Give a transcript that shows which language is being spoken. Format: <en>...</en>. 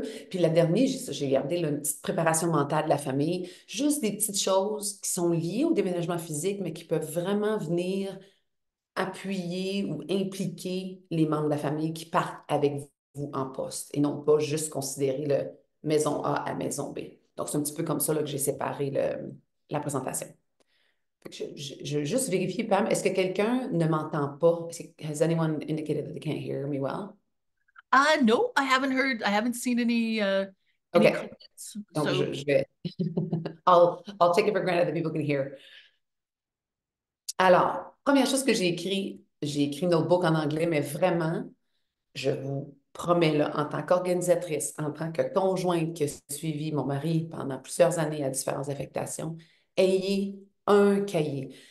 <fr>Puis la dernière, j'ai gardé là, une petite préparation mentale de la famille, juste des petites choses qui sont liées au déménagement physique, mais qui peuvent vraiment venir appuyer ou impliquer les membres de la famille qui partent avec vous en poste et non pas juste considérer le maison A à maison B. Donc, c'est un petit peu comme ça là, que j'ai séparé la présentation. Je vais juste vérifier, Pam, est-ce que quelqu'un ne m'entend pas?</fr> <en>Has anyone indicated that they can't hear me well? No, I haven't heard, I haven't seen any, okay. any comments.</en> <fr>Donc,</fr> <en>so...</en> <fr>je vais...</fr> <en>I'll take it for granted that people can hear.</en> <fr>Alors, première chose que j'ai écrit notebook en anglais, mais vraiment, je vous promets, là, en tant qu'organisatrice, en tant que conjointe qui a suivi mon mari pendant plusieurs années à différentes affectations, ayez un cahier.</fr>